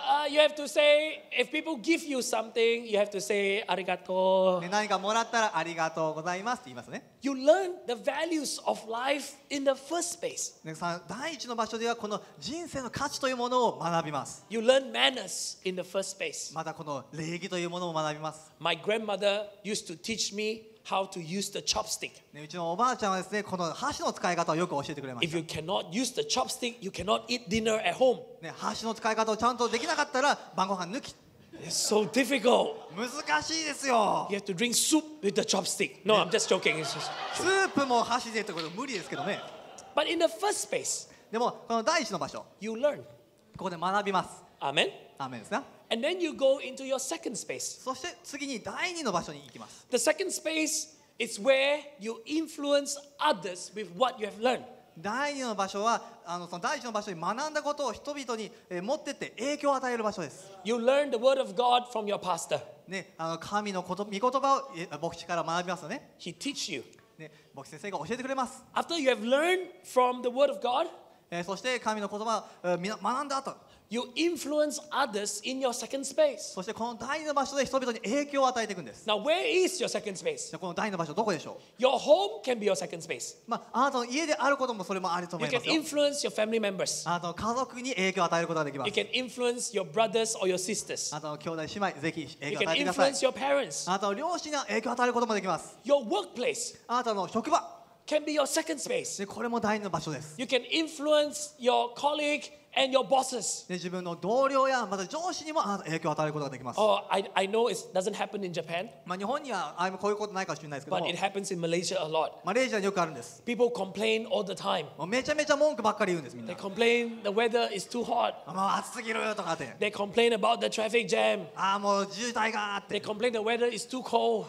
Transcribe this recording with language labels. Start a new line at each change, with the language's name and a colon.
English: You have to say if people give you something, you have to say
Japanese: ありがとう。何かもらったらありがとうございますって言いますね。
English: You learn the values of life in the first space.
Japanese: 第一の場所ではこの人生の価値というものを学びます。
English: You learn manners in the first space.
Japanese: またこの礼儀というものを学びます。
English: My grandmother used to teach me how to use the chopstick.
Japanese: うちのおばあちゃんはですね、この箸の使い方をよく教えてくれました。
English: If you cannot use the chopstick, you cannot eat dinner at home.
Japanese: ね、箸の使い方をちゃんとできなかったら晩ご飯抜き。
English: It's so difficult.
Japanese: 難しいですよ。
English: You have to drink soup with the chopstick. No, I'm just joking.
Japanese: スープも箸でってこと無理ですけどね。
English: But in the first space,
Japanese: でもこの第一の場所、
English: you learn.
Japanese: ここで学びます。
English: Amen.
Japanese: Amen ですね。
English: And then you go into your second space.
Japanese: そして次に第二の場所に行きます。
English: The second space is where you influence others with what you have learned.
Japanese: 第2の場所はあのその第1の場所に学んだことを人々に持ってって影響を与える場所です。
English: You learn the word of God from your pastor.
Japanese: ね、あの神のこと、御言葉を牧師から学びますよね。
English: He teach you.
Japanese: ね、牧師先生が教えてくれます。
English: After you have learned from the word of God,
Japanese: そして神の言葉を学んだ後、
English: You influence others in your second space.
Japanese: そしてこの第2の場所で人々に影響を与えていくんです。
English: Now, where is your second space?
Japanese: じゃあこの第2の場所どこでしょう?
English: Your home can be your second space.
Japanese: まあ、あなたの家であることもそれもあると思いますよ。
English: You can influence your family members.
Japanese: あなたの家族に影響を与えることができます。
English: You can influence your brothers or your sisters.
Japanese: あなたの兄弟姉妹ぜひ影響を与えてください。
English: You can influence your parents.
Japanese: あなたの両親に影響を与えることもできます。
English: Your workplace.
Japanese: あなたの職場。
English: Can be your second space.
Japanese: でこれも第2の場所です。
English: You can influence your colleague. And your bosses.
Japanese: 自分の同僚やまた上司にも影響を与えることができます。
English: Oh, I know it doesn't happen in Japan.
Japanese: まあ日本にはあまこういうことないかもしれないですけども。
English: But it happens in Malaysia a lot.
Japanese: マレーシアによくあるんです。
English: People complain all the time.
Japanese: もうめちゃめちゃ文句ばっかり言うんですみんな。
English: They complain the weather is too hot.
Japanese: もう暑すぎるよとかって。
English: They complain about the traffic jam.
Japanese: ああもう渋滞がって。
English: They complain the weather is too cold.